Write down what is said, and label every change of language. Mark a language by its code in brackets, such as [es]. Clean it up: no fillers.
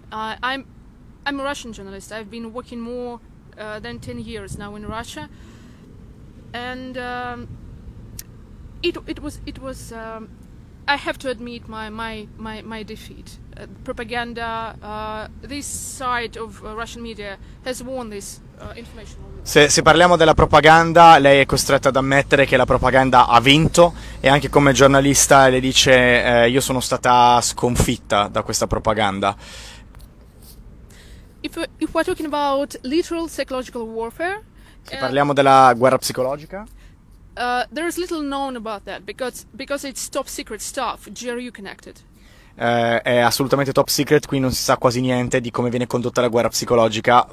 [en] I'm a Russian journalist. I've been working more than 10 years now in Russia, and I have to admit my defeat. Propaganda, this side of Russian media has won this information. [it] Se parliamo della propaganda, lei è costretta ad ammettere che la propaganda ha vinto, e anche come giornalista le dice io sono stata sconfitta da questa propaganda. [en] If we're talking about literal psychological warfare, [it] se parliamo della guerra psicologica, [en] there is little known about that because it's top secret stuff, GRU connected. [it] È assolutamente top secret, qui non si sa quasi niente di come viene condotta la guerra psicologica.